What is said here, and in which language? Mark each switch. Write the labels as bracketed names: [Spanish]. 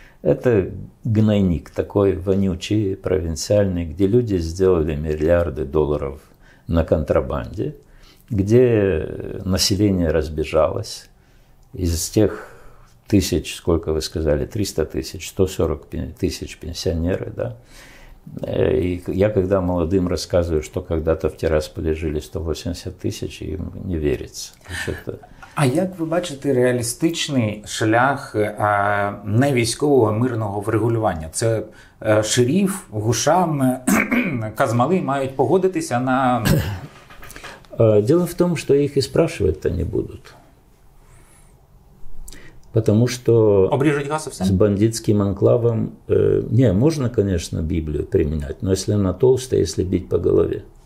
[Russian] Это гнойник такой вонючий, провинциальный, где люди сделали миллиарды долларов на контрабанде, где население разбежалось из тех тысяч, сколько вы сказали, 300 тысяч, 140 тысяч пенсионеры, да. И я когда молодым рассказываю, что когда-то в Тирасполе жили 180 тысяч, им не верится. Это... [Ukrainian] А як ви бачите реалістичний шлях не військового, а мирного врегулювання? Це шеріф, Гушам, Казмали мають погодитися на... [Russian] Дело в том, что их и спрашивать-то не будут. Потому что с бандитским анклавом... Не, можно, конечно, Библию применять, но если она толстая, если бить по голове.